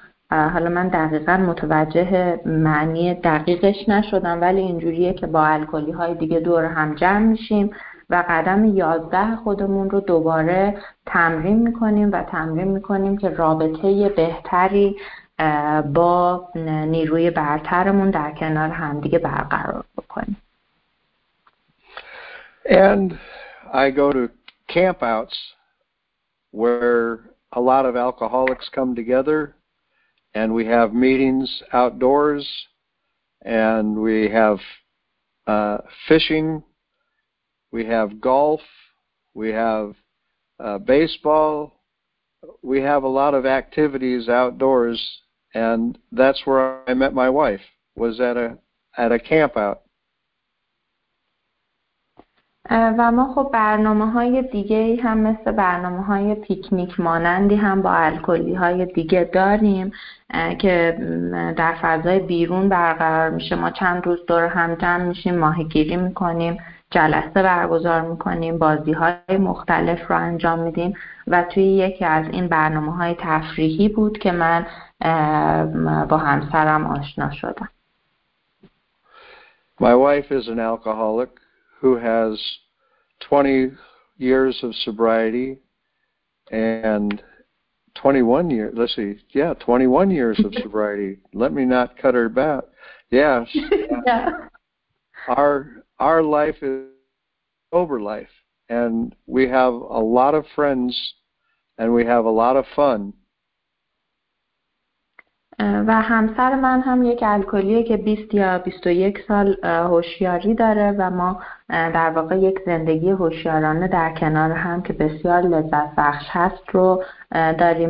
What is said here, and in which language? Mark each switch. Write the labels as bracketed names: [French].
[Persian] حالا من دقیقا متوجه معنی دقیقش نشدم، ولی اینجوریه که با الکلی های دیگه دور هم جمع میشیم و قدم 11 خودمون رو دوباره تمرین میکنیم و تمرین میکنیم که رابطه بهتری با نیروی برترمون در کنار همدیگه برقرار بکنیم. [English] And I go to campouts where a lot of alcoholics come together and we have meetings outdoors and we have fishing, we have golf, we have baseball, we have a lot of activities outdoors, and that's where I met my wife, was at a campout. [Persian] و ما خب برنامه های دیگه هم مثل برنامه های پیکنیک مانندی هم با الکلی های دیگه داریم که در فضای بیرون برقرار میشه. ما چند روز دور هم جمع میشیم، ماهیگیری میکنیم، جلسه برگزار میکنیم، بازی های مختلف رو انجام میدیم و توی یکی از این برنامه های تفریحی بود که من با همسرم آشنا شدم. [English] My wife is an alcoholic who has 20 years of sobriety and 21 years, let's see, yeah, 21 years of sobriety. Let me not cut her back. Yes. Yeah. Our life is sober life, and we have a lot of friends, and we have a lot of fun. [Persian] و همسر من هم یک الکلیه که 20 یا 21 سال هوشیاری داره و ما در واقع یک زندگی هوشیارانه در کنار هم که بسیار لذت بخش هست رو داریم.